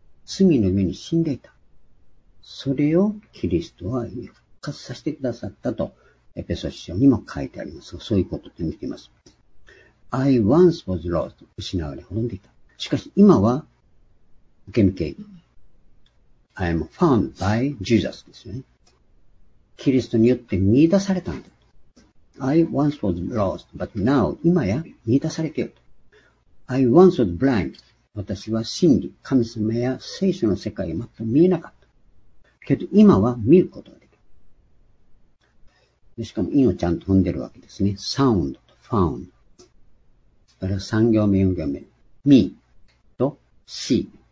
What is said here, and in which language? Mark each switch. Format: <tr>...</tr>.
<ja>罪の上に死んでいた。それをキリストは復活させてくださったと、エペソ書にも書いてあります。そういうことで見ています。</ja> <en>I once was lost,</en> <ja>失われ滅んでいた。しかし今は、受け身刑事。</ja> <en>I am found by Jesus</en> <ja>ですよね。キリストによって見出されたんだ。</ja> <en>I once was lost, but now,</en> <ja>今や見出されてよと。</ja> <en>I once was blind.</en> <ja>私は真理、神様や聖書の世界を全く見えなかった。けど今は見ることができる。でしかも意をちゃんと踏んでるわけですね。 sound と found。だから3行目、4行目。me と see。</ja>